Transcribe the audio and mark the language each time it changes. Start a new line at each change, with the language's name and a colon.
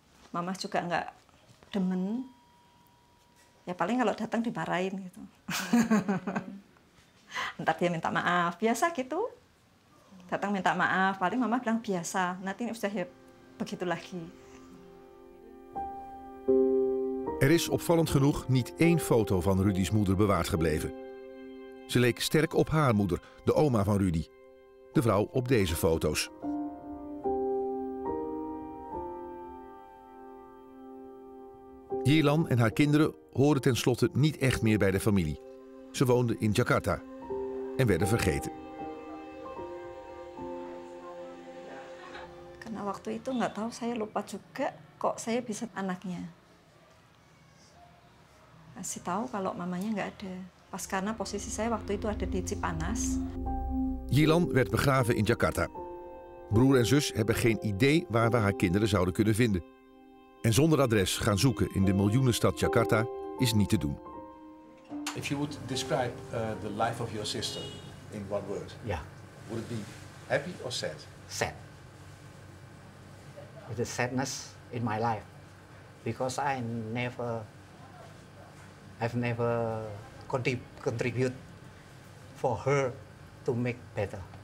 Indonesian: Mama juga enggak demen. Ya paling kalau datang dimarahin gitu. Entar dia minta maaf, biasa gitu. Datang minta maaf, paling mama bilang biasa. Nanti ini sudah begitu lagi.
Dutch: Er is opvallend genoeg niet één foto van Rudy's moeder bewaard gebleven. Ze leek sterk op haar moeder, de oma van Rudy. De vrouw op deze foto's. Jelan en haar kinderen hoorden tenslotte niet echt meer bij de familie. Ze woonden in Jakarta en werden vergeten.
Indonesian: Karena waktu itu nggak tahu, saya lupa juga kok saya bisa anaknya. Kasih tahu kalau mamanya nggak ada. Pas karena posisi saya waktu itu ada di Cipanas.
Dutch: Jelan werd begraven in Jakarta. Broer en zus hebben geen idee waar we haar kinderen zouden kunnen vinden. En zonder adres gaan zoeken in de miljoenenstad Jakarta is niet te doen.
English: If you would describe the life of your sister in one word, yeah, would it be happy or sad? Sad. It is sadness in my life because I've never contribute for her to make better.